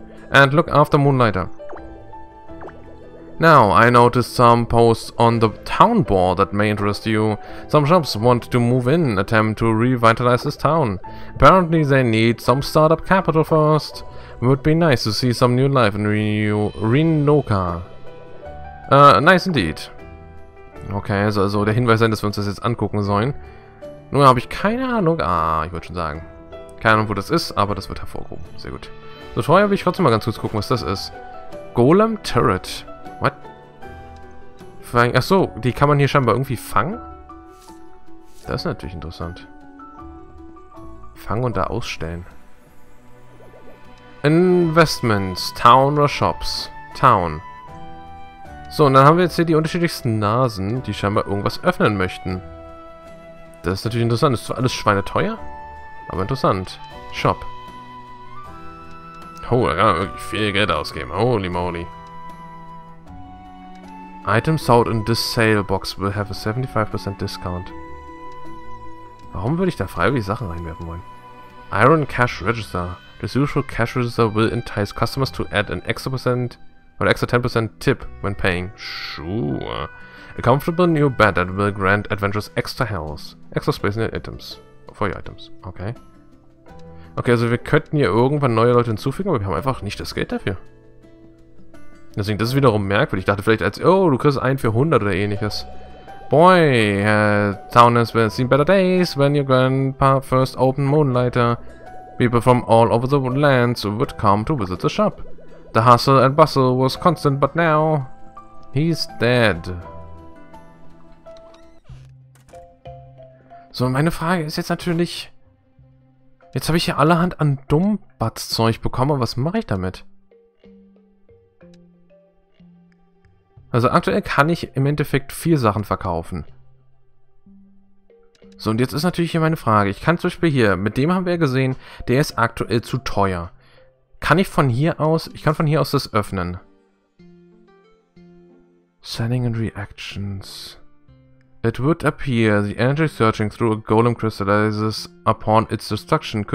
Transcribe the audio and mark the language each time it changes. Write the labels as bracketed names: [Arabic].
[English] And look after Moonlighter. Now, I noticed some posts on the town board that may interest you. Some shops want to move in, attempt to revitalize this town. Apparently they need some startup capital first. Would be nice to see some new life in Rinoka. Nice indeed. [German] Okay, also der Hinweis sein, dass wir uns das jetzt angucken sollen. Nur habe ich keine Ahnung. Ah, ich wollte schon sagen. Keine Ahnung, wo das ist, aber das wird hervorgehoben. Sehr gut. So, vorher will ich trotzdem mal ganz kurz gucken, was das ist. Golem Turret. [English] What? [German] Achso, die kann man hier scheinbar irgendwie fangen? Das ist natürlich interessant. Fangen und da ausstellen. Investments, Town oder Shops? Town. So, und dann haben wir jetzt hier die unterschiedlichsten Nasen, die scheinbar irgendwas öffnen möchten. Das ist natürlich interessant. Ist zwar alles schweineteuer, aber interessant. Shop. Oh, da kann man wirklich viel Geld ausgeben. [English] Holy moly. Items sold in this sale box will have a 75% discount. [German] Warum würde ich da freiwillig Sachen reinwerfen wollen? [English] Iron Cash Register. This usual cash register will entice customers to add an extra percent or extra 10% tip when paying. Sure. A comfortable new bed that will grant adventurers extra health. Extra space in your items. For your items. Okay. [German] Okay, also wir könnten hier irgendwann neue Leute hinzufügen, aber wir haben einfach nicht das Geld dafür. Deswegen, das ist wiederum merkwürdig. Ich dachte vielleicht als, oh, du kriegst einen für 100 oder ähnliches. [English] Boy, town has seen better days when your grandpa first opened Moonlighter. People from all over the lands would come to visit the shop. The hustle and bustle was constant, but now he's dead. [German] So, meine Frage ist jetzt natürlich... Jetzt habe ich hier allerhand an Dummbatzzeug bekommen. Was mache ich damit? Also aktuell kann ich im Endeffekt 4 Sachen verkaufen. So, und jetzt ist natürlich hier meine Frage. Ich kann zum Beispiel hier, mit dem haben wir ja gesehen, der ist aktuell zu teuer. Kann ich von hier aus, ich kann von hier aus das öffnen. [English] Sending and Reactions. It would appear the energy searching through a golem crystallizes upon its destruction.